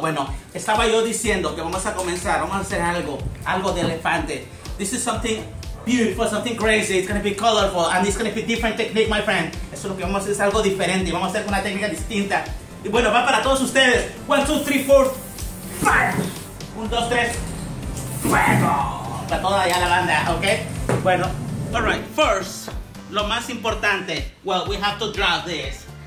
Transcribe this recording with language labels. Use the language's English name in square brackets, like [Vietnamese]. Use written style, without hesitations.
[Spanish] Bueno, estaba yo diciendo que vamos a comenzar. Vamos a hacer algo. Algo de elefante. [English] This is something beautiful, something crazy. It's gonna be colorful and it's gonna be different technique, my friend. [Spanish] Eso es lo que vamos a hacer, es algo diferente. Vamos a hacer una técnica distinta. Y bueno, va para todos ustedes. 1, 2, 3, 4, 5. 1, 2, 3. Fuego. Para toda allá la banda, okay? Bueno. [English] All right. First, [Spanish] lo más importante. [English] Well, we have to draw this.